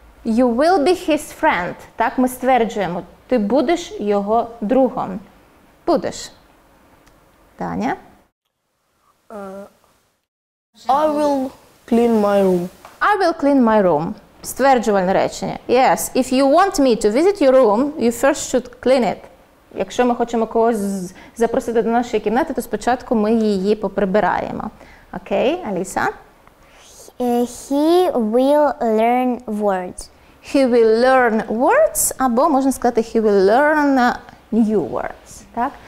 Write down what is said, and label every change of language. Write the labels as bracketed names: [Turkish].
[English] You will be his friend. [Ukrainian] Так ми стверджуємо. Ти будеш його другом. Будеш. Даня? [English] I will clean my room. I will clean my room. [Ukrainian] Стверджувальне речення. [English] Yes, if you want me to visit your room, you first should clean it. [Ukrainian] Якщо ми хочемо когось запросити до нашої кімнати, то спочатку ми її поприбираємо. Окей, Аліса? [English] He will learn words. He will learn words, [Ukrainian] або можна сказати, [English] he will learn new words. [Ukrainian] Так?